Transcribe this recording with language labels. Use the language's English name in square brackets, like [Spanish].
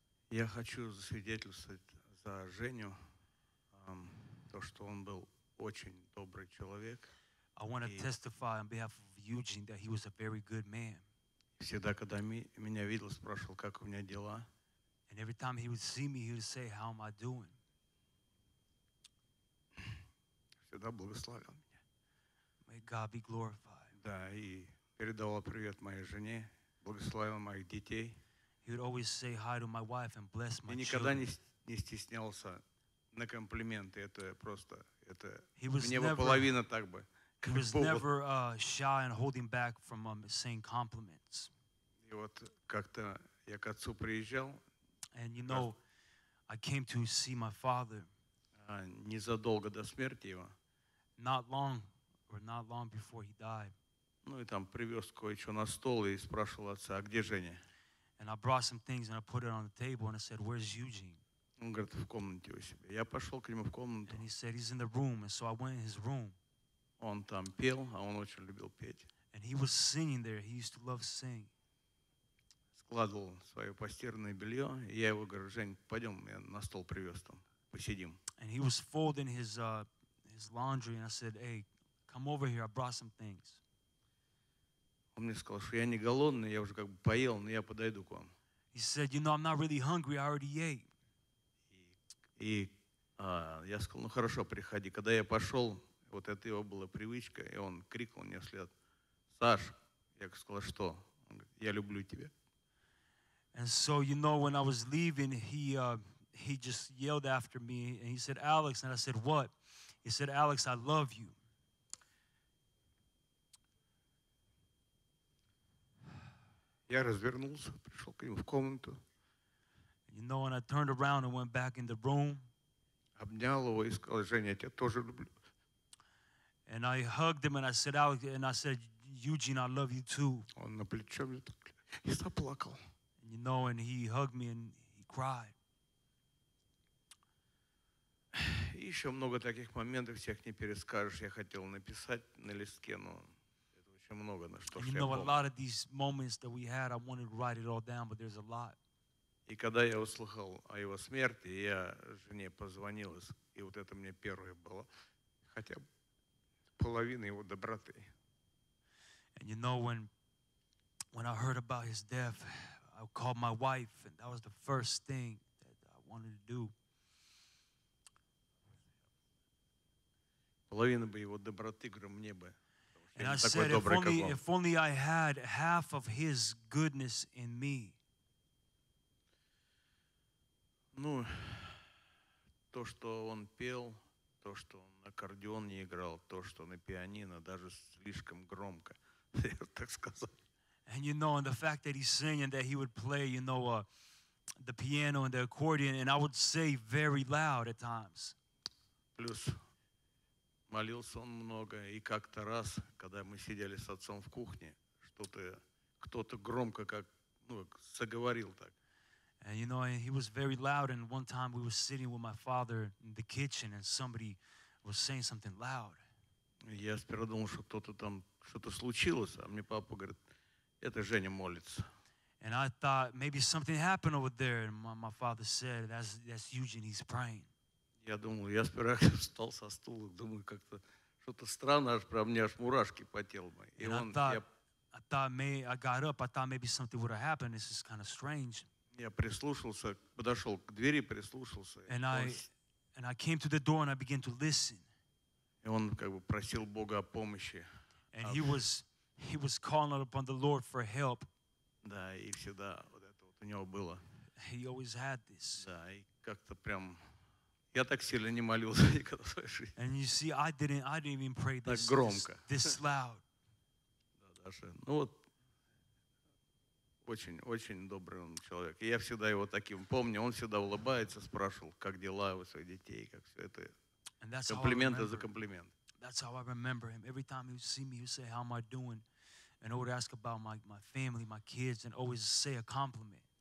[Russian] Я хочу засвидетельствовать за Женю, то, что он был очень добрый человек. [English] I want to testify on behalf of Eugene that he was a very good man. [Russian] Всегда, когда меня видел, спрашивал, как у меня дела. [English] And every time he would see me, he would say, how am I doing? [Russian] Всегда благословлял меня. [English] May God be glorified. [Russian] Да, и передавал привет моей жене, благословил моих детей. [English] He would always say hi to my wife and bless my children. [Russian] И никогда не стеснялся на комплименты. Это просто, это мне бы половина так бы. [English] He was never shy and holding back from saying compliments. [Russian] И вот как-то я к отцу приезжал. [English] And you know, I came to see my father. [Russian] Незадолго до смерти его. [English] Not long before he died. [Russian] Ну и там привез кое-что на стол и спрашивал отца, а где Женя? [English] And I brought some things and I put it on the table and I said, where's Eugene? [Russian] Он говорит, в комнате у себя. Я пошел к нему в комнату. [English] And he said, he's in the room. And so I went in his room. [Russian] Он там пел, а он очень любил петь. [English] And he was singing there. He used to love to sing. [Russian] Складывал свое постиранное белье. И я его говорю, Жень, пойдем, я на стол привез там. Посидим. [English] And he was folding his laundry and I said, hey, come over here. I brought some things. [Russian] Он мне сказал, что я не голодный, я уже как бы поел, но я подойду к вам. [English] He said, you know, I'm not really hungry, I already ate. [Russian] И я сказал, ну хорошо, приходи. Когда я пошел, вот это его была привычка, и он крикнул мне вслед, Саш, я сказал, что? Он говорит, я люблю тебя. [English] And so, you know, when I was leaving, he just yelled after me, and he said, Alex, and I said, what? He said, Alex, I love you. [Russian] Я развернулся, пришел к нему в комнату. [English] You know, and I turned around and went back in the room. [Russian] Обнял его и сказал, Женя, я тебя тоже люблю. [English] And I hugged him and I said, Alex, and I said, Eugene, I love you too. [Russian] Он на плечо мне так и заплакал. [English] You know, and he hugged me and he cried. [Russian] И еще много таких моментов, всех не перескажешь. Я хотел написать на листке, но... [English] And you know, a lot of these moments that we had, I wanted to write it all down, but there's a lot. [Russian] И когда я услыхал о его смерти, я жене позвонил, и вот это мне первое было, хотя половина его доброты. [English] And you know, when I heard about his death, I called my wife, and that was the first thing that I wanted to do. [Russian] Половина бы его доброты, говорю, мне бы. [English] And I said, if only I had half of his goodness in me. [Russian] Ну, то, что он пел, то, что он на аккордеон не играл, то, что на пианино, даже слишком громко, так сказать. [English] And you know, and the fact that he sang and that he would play, you know, the piano and the accordion, and I would say very loud at times. [Russian] Плюс молился он много, и как-то раз, когда мы сидели с отцом в кухне, что-то, кто-то громко как, ну, заговорил так. [English] And you know, and he was very loud, and one time we were sitting with my father in the kitchen, and somebody was saying something loud. [Russian] Я сперва думал, что кто-то там что-то случилось, а мне папа говорит, это Женя молится. [English] And I thought, maybe something happened over there, and my father said, that's Eugene, he's praying. [Russian] Я думал, я сперва встал со стула, думаю, как-то что-то странное, аж про меня аж мурашки по телу мои. [English] And I got up, I thought maybe something would have happened, this is kind of strange. [Russian] Я прислушался, подошел к двери, прислушался. [English] And I came to the door and I began to listen. [Russian] И он как бы просил Бога о помощи. [English] And he was calling upon the Lord for help. [Russian] Да, и всегда вот это вот у него было. [English] He always had this. [Russian] Да, и как-то прям я так сильно не молился никогда в своей жизни. [English] And you see, I didn't even pray this. [Russian] Так громко. [English] This loud. [Russian] Да, даже, ну вот. Очень, очень добрый он человек. И я всегда его таким помню. Он всегда улыбается, спрашивал, как дела у своих детей, как все это. Комплименты за комплимент. [English] That's how I remember him. Every time he would see me, he would say, how am I doing? And I would ask about my family, my kids, and always say a compliment.